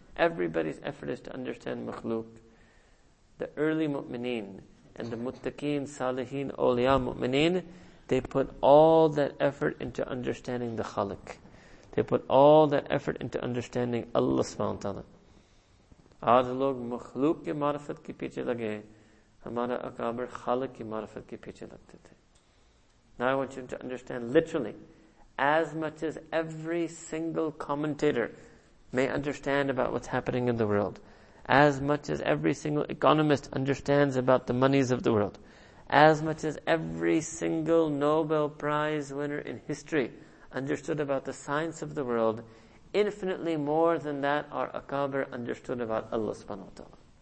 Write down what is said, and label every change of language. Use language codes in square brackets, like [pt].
[en] Everybody's effort is to understand makhluk. The early mu'mineen and the muttaqeen, salihin, awliya, mu'mineen, they put all that effort into understanding the khaliq. They put all that effort into understanding Allah subhanahu wa ta'ala. [ur] آج لوگ مخلوق کی معرفت کے پیچھے لگے, ہمارا اکابر خالق کی معرفت کے پیچھے لگتے تھے. [en] Now I want you to understand literally, as much as every single commentator may understand about what's happening in the world, as much as every single economist understands about the monies of the world, as much as every single Nobel Prize winner in history understood about the science of the world, infinitely more than that our akabir understood about Allah subhanahu wa ta'ala.